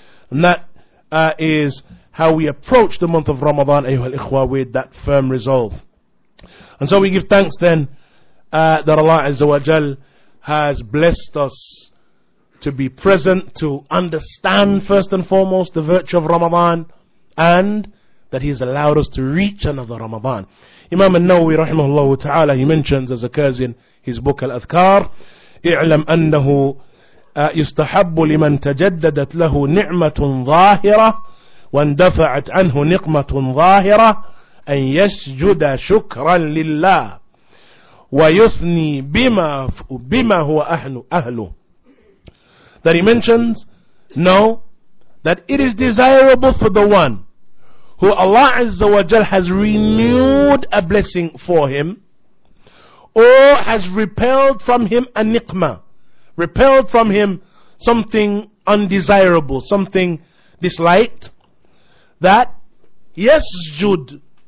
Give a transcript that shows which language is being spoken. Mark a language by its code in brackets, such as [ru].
[en] And that is how we approach the month of Ramadan, [ar] ayyuhal ikhwa, [en] with that firm resolve. And so we give thanks then that Allah Azza wa Jal has blessed us to be present, to understand first and foremost the virtue of Ramadan, and that He has allowed us to reach another Ramadan. Imam An-Nawawi rahimahullah ta'ala, he mentions, as occurs in his book Al-Adhkar, [ar] اِعْلَمْ أَنَّهُ يُسْتَحَبُّ لِمَنْ تَجَدَّدَتْ لَهُ نِعْمَةٌ ظَاهِرَةٌ وَانْدَفَعَتْ عَنْهُ نِقْمَةٌ ظَاهِرَةٌ أَنْ يَسْجُدَ شُكْرًا لِلَّهِ وَيُثْنِي بِمَا هُوَ أَهْلُهُ. [en] That he mentions, know that it is desirable for the one who Allah Azza wa Jal has renewed a blessing for him, or has repelled from him a niqmah, repelled from him something undesirable, something disliked, that yasjud